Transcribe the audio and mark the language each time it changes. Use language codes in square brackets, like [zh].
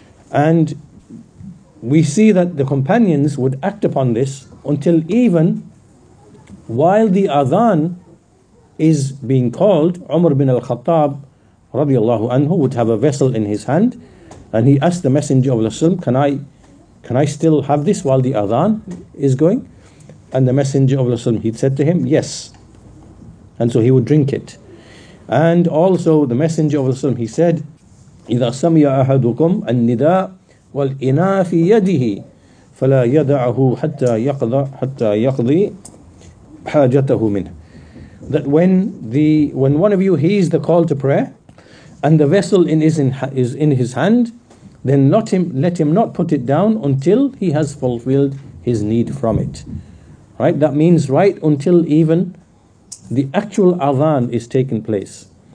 [en] And we see that the companions would act upon this until even while the adhan is being called. Umar bin al-Khattab radiallahu anhu would have a vessel in his hand, and he asked the Messenger of Allah, can I still have this while the adhan is going? And the Messenger of Allah, he said to him, yes. And so he would drink it. And also the Messenger of Allah, he said, [ar] إِذَا سَمِيَ أَحَدُكُمْ النِّدَاءَ وَالْإِنَا فِي يَدِهِ فَلَا يَدَعَهُ حَتَّى يَقْضِي حَاجَتَهُ مِنْهُ. [en] That when one of you hears the call to prayer, and the vessel is in his hand, then let him not put it down until he has fulfilled his need from it. Right? That means right until even the actual adhan is taking place.